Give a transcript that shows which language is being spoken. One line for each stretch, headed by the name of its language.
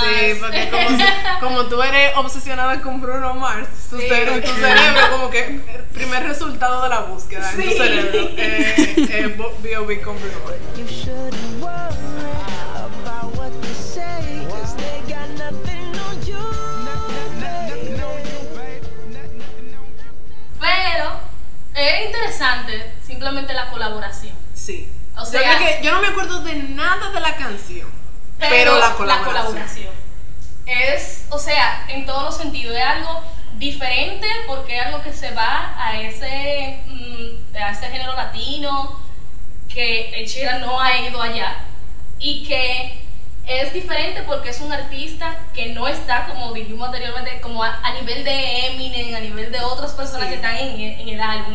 Spanish: Sí, porque como tú eres obsesionada con Bruno Mars, tu sí. cerebro, tu cerebro, como que el primer resultado de la búsqueda en tu cerebro B.O.B. con Bruno Mars.
English: You shouldn't worry about what they say, cause they got nothing on you.
Spanish: Pero es interesante simplemente la colaboración. Sí. O sea, que yo no me acuerdo de nada de la canción. Pero la colaboración es, o sea, en todos los sentidos, es algo diferente porque es algo que se va a ese género latino que Ed Sheeran no ha ido allá, y que es diferente porque es un artista que no está, como dijimos anteriormente, como a nivel de Eminem, a nivel de otras personas que están en el álbum.